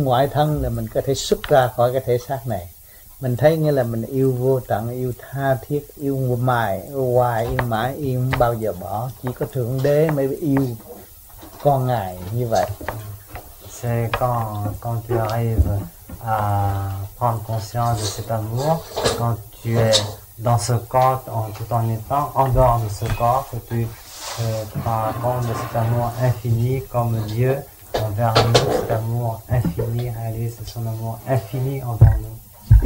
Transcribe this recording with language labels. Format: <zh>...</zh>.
<fr>Pouvons-nous commencer à aimer cette manière-là?</fr> <vi>Mình thấy nghĩa là mình yêu vô tận, yêu tha thiết, yêu mãi, hoài, yêu mãi, yêu không bao giờ bỏ. Chỉ có Thượng Đế mới yêu con Ngài như vậy.</vi> <fr>c'est quand tu arrives à prendre conscience de cet amour, quand tu es dans ce corps tout en étant en dehors de ce corps, que tu te rends compte de cet amour infini comme Dieu envers nous, cet amour infini, réalise son amour infini envers nous.</fr>